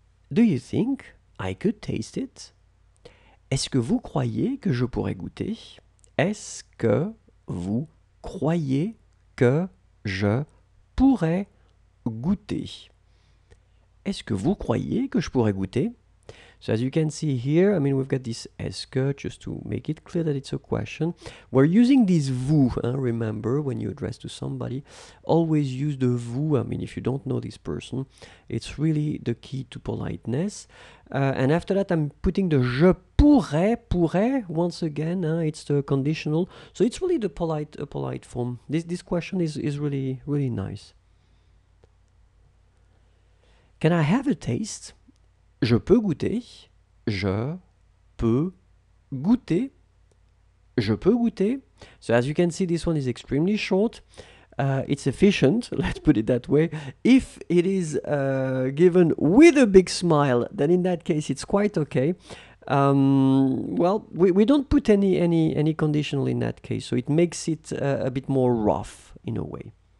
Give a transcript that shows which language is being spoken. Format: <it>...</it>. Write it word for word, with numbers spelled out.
<en>Do you think I could taste it?</en> <fr>Est-ce que vous croyez que je pourrais goûter? Est-ce que vous croyez que je pourrais goûter? Est-ce que vous croyez que je pourrais goûter?</fr> <en>So as you can see here, I mean, we've got this est-ce que, just to make it clear that it's a question. We're using this vous, hein, remember, when you address to somebody, always use the vous. I mean, if you don't know this person, it's really the key to politeness. Uh, and after that, I'm putting the je pourrais, pourrais, once again, hein, it's the conditional. So it's really the polite uh, polite form. This, this question is, is really, really nice. Can I have a taste?</en> <fr>Je peux goûter, je peux goûter, je peux goûter.</fr> <en>So as you can see, this one is extremely short. Uh, it's efficient, let's put it that way. If it is uh, given with a big smile, then in that case, it's quite okay. Um, well, we, we don't put any, any, any conditional in that case, so it makes it uh, a bit more rough in a way.</en>